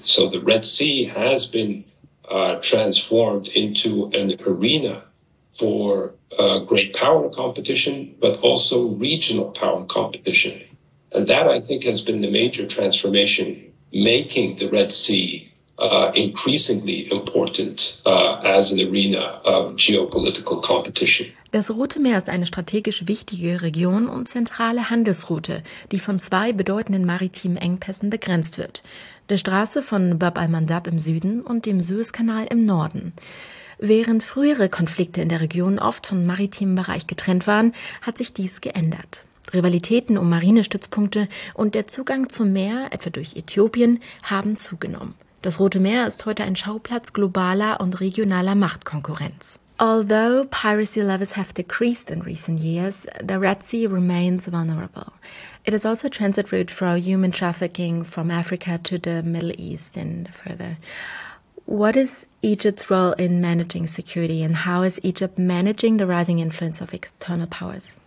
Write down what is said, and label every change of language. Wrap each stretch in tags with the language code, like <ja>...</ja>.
<en>So the Red Sea has been transformed into an arena for great power competition, but also regional power competition. And that, I think, has been the major transformation, making the Red Sea increasingly important as an arena of geopolitical competition.</en> <de>Das Rote Meer ist eine strategisch wichtige Region und zentrale Handelsroute, die von zwei bedeutenden maritimen Engpässen begrenzt wird. Der Straße von Bab el-Mandeb im Süden und dem Suezkanal im Norden. Während frühere Konflikte in der Region oft vom maritimen Bereich getrennt waren, hat sich dies geändert. Rivalitäten um Marinestützpunkte und der Zugang zum Meer, etwa durch Äthiopien, haben zugenommen. Das Rote Meer ist heute ein Schauplatz globaler und regionaler Machtkonkurrenz.</de> <en>Although piracy levels have decreased in recent years, the Red Sea remains vulnerable. It is also a transit route for human trafficking from Africa to the Middle East and further. What is Egypt's role in managing security, and how is Egypt managing the rising influence of external powers?</en>